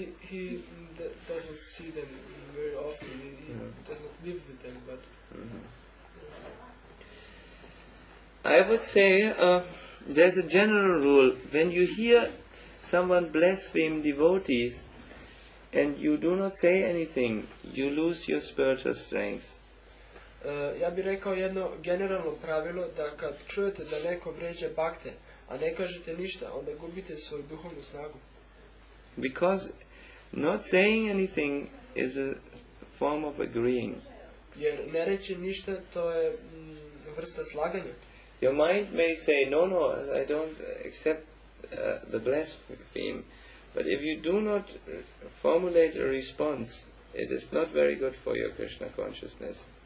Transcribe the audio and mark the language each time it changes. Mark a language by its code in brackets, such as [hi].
[en] He doesn't see them very often. He doesn't live with them, but. I would say there's a general rule: when you hear someone blaspheme devotees, and you do not say anything, you lose your spiritual strength. [sr] Ja bih rekao jedno generalno pravilo, da kad čujete da neko vređa bhakte, a ne kažete ništa, onda gubite svoju duhovnu snagu. [en] Because not saying anything is a form of agreeing. [sr] Jer ne reći ništa, to je vrsta slaganja. [en] Your mind may say, no, I don't accept the blaspheme. But if you do not formulate a response, it is not very good for your Krishna consciousness.